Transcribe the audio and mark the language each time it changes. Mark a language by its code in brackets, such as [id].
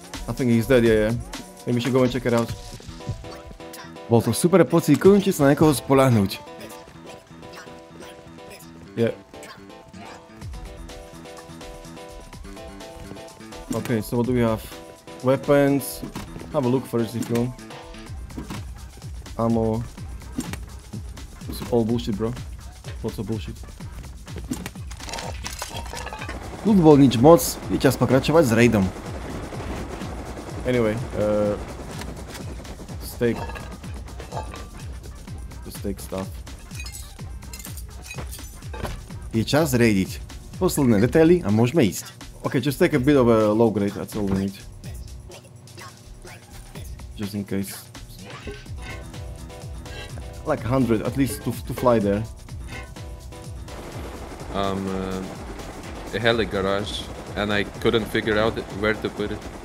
[en] I think he's dead, yeah, yeah. Maybe we should go and check it out. [sk] Bol to super pocit, konečne sa na niekoho spoľahnúť. [en] Yeah. Okay, so what do we have? Weapons. Have a look first if you want. Ammo. It's all bullshit, bro. Lots of bullshit. [sk] Loot bol nič moc, je čas pokračovať s raidom. [en] Anyway, steak. Take stuff. [sk] Je čas raidiť. Posledné detaily a môžeme ísť. [en] Ok, just take a bit of a low grade, that's all we need. Just in case. Like 100, at least to fly there. A heli garage. And I couldn't figure out where to put it.